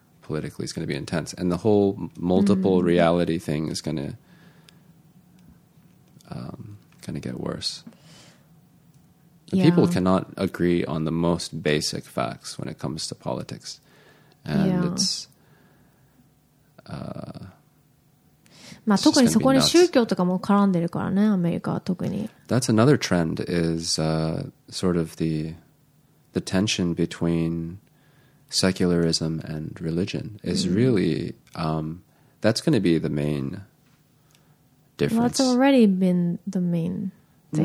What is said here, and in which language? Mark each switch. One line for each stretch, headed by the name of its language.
English: politically is going to be intense and the whole multiple reality thing is going to get worse. Yeah. People cannot agree on the most basic facts when it comes to politics and it's
Japanese: まあ特にそこに宗教とかも絡んでるからね、アメリカは特に。
English: That's another trend is sort of the tension betweenSecularism and religion is really, that's going to be the main difference. Well, that's already been the main thing